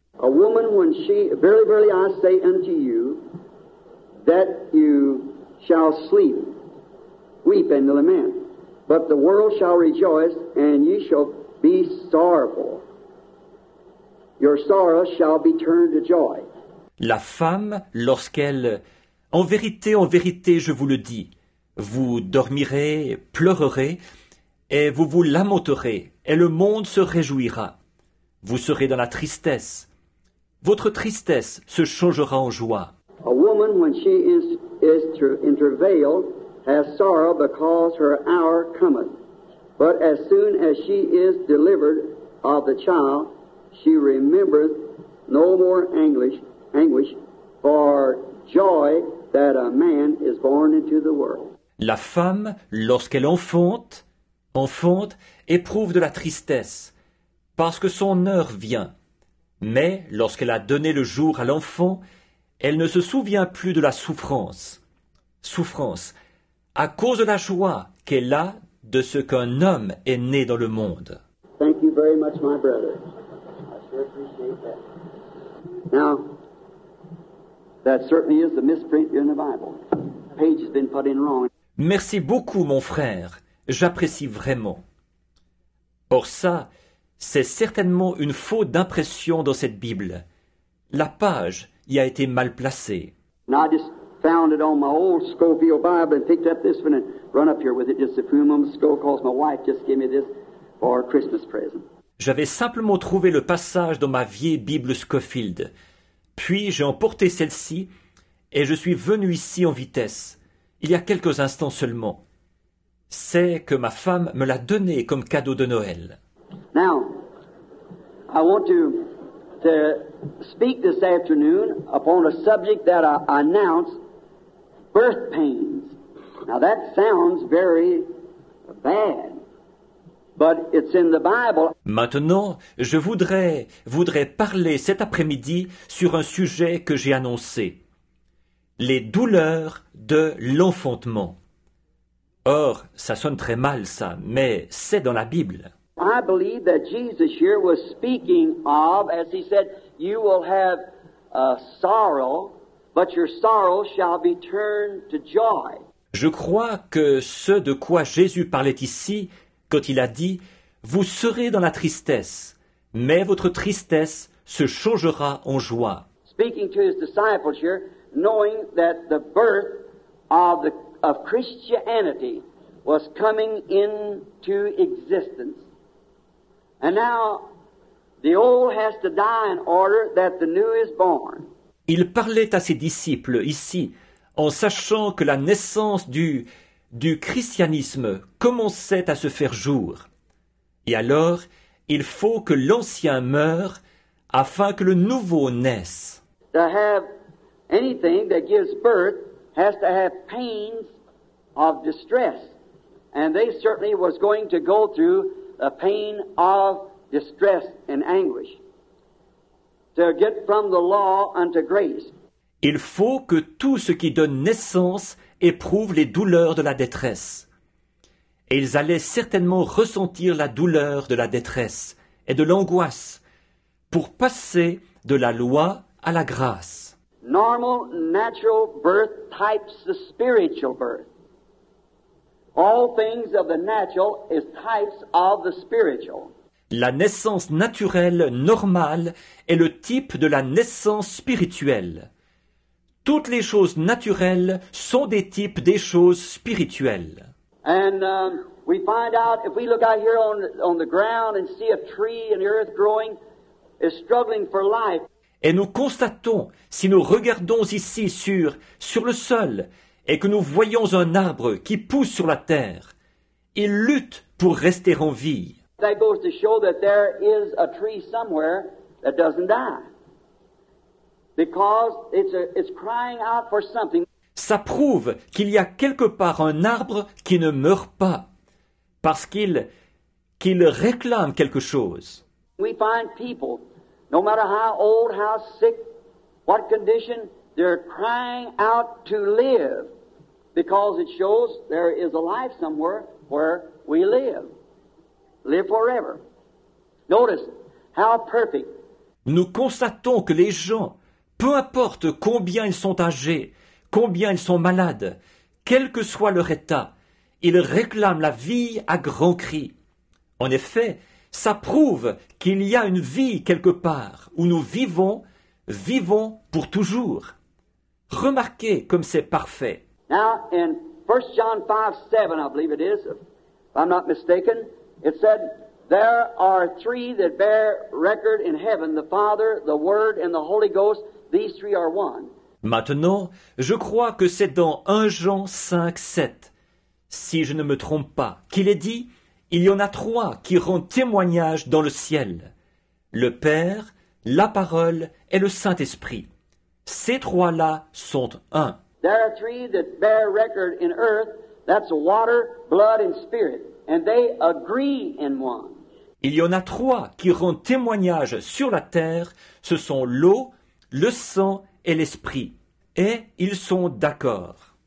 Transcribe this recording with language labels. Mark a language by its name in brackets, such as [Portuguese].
[English] A woman, when she, verily, verily, I say unto you, that you shall sleep, weep and lament, but the world shall rejoice, and ye shall be sorrowful. Your sorrow shall be turned to joy. [French] La femme, lorsqu'elle... en vérité, je vous le dis, vous dormirez, pleurerez, et vous vous lamenterez, et le monde se réjouira. Vous serez dans la tristesse. Votre tristesse se changera en joie. [English] A woman, when she is in travail, has sorrow because her hour cometh. But as soon as she is delivered of the child, she remembereth no more anguish, for joy that a man is born into the world. [French] La femme, lorsqu'elle enfante, éprouve de la tristesse, parce que son heure vient. Mais lorsqu'elle a donné le jour à l'enfant, elle ne se souvient plus de la souffrance. Souffrance, à cause de la joie qu'elle a de ce qu'un homme est né dans le monde. [English] Thank you very much, my brother. I sure appreciate that. Now, that certainly is a misprint in the Bible. Page has been put in wrong. [French] Merci beaucoup, mon frère. J'apprécie vraiment. Or ça, c'est certainement une faute d'impression dans cette Bible. La page y a été mal placée. [English] Now, I just found it on my old Scofield Bible and picked up this one and run up here with it just a few moments ago because my wife just gave me this for a Christmas present. [French] J'avais simplement trouvé le passage dans ma vieille Bible Scofield. Puis j'ai emporté celle-ci et je suis venu ici en vitesse, il y a quelques instants seulement. C'est que ma femme me l'a donné comme cadeau de Noël. [English] Now, I want to speak this afternoon upon a subject that I announced, birth pains. Now that sounds very bad. But it's in the Bible. [French] Maintenant, je voudrais parler cet après-midi sur un sujet que j'ai annoncé. Les douleurs de l'enfantement. Or, ça sonne très mal ça, mais c'est dans la Bible. [English] I believe that Jesus here was speaking of, as he said, you will have a sorrow, but your sorrow shall be turned to joy. [French] Je crois que ce de quoi Jésus parlait ici, quand il a dit « Vous serez dans la tristesse, mais votre tristesse se changera en joie. » [English] Speaking to his disciples here, knowing that the birth of Christianity was coming into existence. And now, the old has to die in order that the new is born. [French] Il parlait à ses disciples ici, en sachant que la naissance du christianisme commençait à se faire jour. Et alors, il faut que l'ancien meure afin que le nouveau naisse. [English] To have anything that gives birth has to have pains of distress. And they certainly was going to go through a pain of distress and anguish. To get from the law unto grace. [French] Il faut que tout ce qui donne naissance éprouve les douleurs de la détresse. Et ils allaient certainement ressentir la douleur de la détresse et de l'angoisse pour passer de la loi à la grâce. [English] normal, natural birth types the spiritual birth. All things of the natural is types of the spiritual. [French] La naissance naturelle, normale, est le type de la naissance spirituelle. Toutes les choses naturelles sont des types des choses spirituelles. [English] And we find out, if we look out here on the ground and see a tree and the earth growing, is struggling for life. [French] Et nous constatons, si nous regardons ici sur le sol, et que nous voyons un arbre qui pousse sur la terre, il lutte pour rester en vie. [English] That goes to show that there is a tree somewhere that doesn't die. Because it's crying out for something. [French] Ça prouve qu'il y a quelque part un arbre qui ne meurt pas, parce qu'il réclame quelque chose. [English] We find people, no matter how old, how sick, what condition, they're crying out to live, because it shows there is a life somewhere where we live. Live forever. Notice how perfect. [French] Nous constatons que les gens, peu importe combien ils sont âgés, combien ils sont malades, quel que soit leur état, ils réclament la vie à grands cris. En effet, ça prouve qu'il y a une vie quelque part où nous vivons, vivons pour toujours. Remarquez comme c'est parfait. [English] Now, in 1 John 5, 7, I believe it is, if I'm not mistaken, it said, there are three that bear record in heaven, the Father, the Word, and the Holy Ghost. These three are one. [French] Maintenant, je crois que c'est dans 1 Jean 5, 7, si je ne me trompe pas, qu'il est dit, il y en a trois qui rendent témoignage dans le ciel. Le Père, la Parole et le Saint-Esprit. Ces trois-là sont un. [English] There are three that bear record in earth, that's water, blood and spirit, and they agree in one. [French] Il y en a trois qui rendent témoignage sur la terre, ce sont l'eau, le sang et l'esprit, et ils sont d'accord.